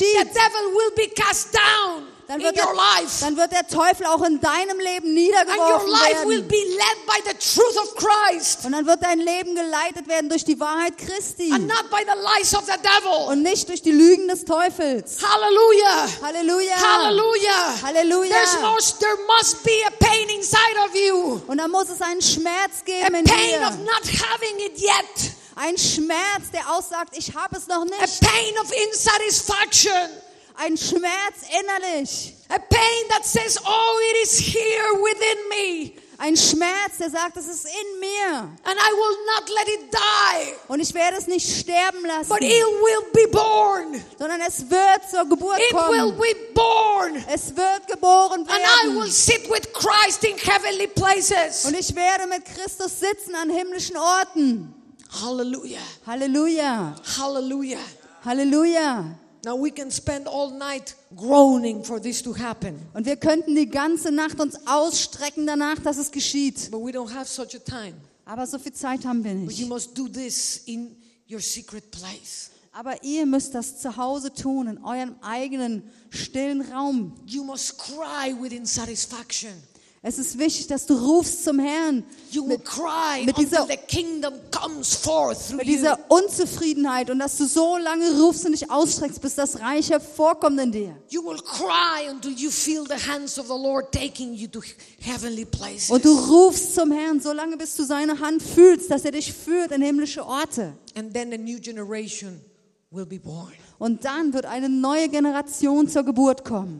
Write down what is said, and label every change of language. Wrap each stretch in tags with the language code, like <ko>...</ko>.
<en>the devil will be cast down in your life.</en> <de>Dann wird der Teufel auch in deinem Leben niedergeworfen werden.</de> <en>And your life will be led by the truth of Christ.</en> <de>Und dann wird dein Leben geleitet werden durch die Wahrheit Christi.</de> <en>And not by the lies of the devil.</en> <de>Und nicht durch die Lügen des Teufels. Hallelujah. Hallelujah. Hallelujah. Hallelujah.</de> <en>There must be a pain inside of you.</en> <de>Und da muss es einen Schmerz geben in dir.</de> <en>A pain of not having it yet.</en> <de>Ein Schmerz, der aussagt, ich habe es noch nicht.</de> <en>A pain of insatisfaction.</en> <de>Ein Schmerz innerlich.</de> <en>A pain that says, oh, it is here within me.</en> <de>Ein Schmerz, der sagt, es ist in mir.</de> <en>And I will not let it die.</en> <de>Und ich werde es nicht sterben lassen.</de> <en>But it will be born.</en> <de>Sondern es wird zur Geburt kommen.</de> <en>It will be born.</en> <de>Es wird geboren werden.</de> <en>And I will sit with Christ in heavenly places.</en> <de>Und ich werde mit Christus sitzen an himmlischen Orten. Hallelujah. Hallelujah. Hallelujah. Hallelujah.</de> <en>Now we can spend all night groaning for this to happen.</en> <de>Und wir könnten die ganze Nacht uns ausstrecken danach, dass es geschieht.</de> <en>But we don't have such a time.</en> <de>Aber so viel Zeit haben wir nicht.</de> <en>But you must do this in your secret place.</en> <de>Aber ihr müsst das zu Hause tun, in eurem eigenen stillen Raum.</de> <en>You must cry with insatisfaction.</en> <de>Es ist wichtig, dass du rufst zum Herrn mit dieser Unzufriedenheit und dass du so lange rufst und dich ausstreckst, bis das Reich hervorkommt in dir.</de> <en>You will cry until you feel the hands of the Lord taking you to heavenly places.</en> <de>Und du rufst zum Herrn so lange, bis du seine Hand fühlst, dass er dich führt in himmlische Orte.</de> <en>And then a new generation will be born.</en> <de>Und dann wird eine neue Generation zur Geburt kommen.</de>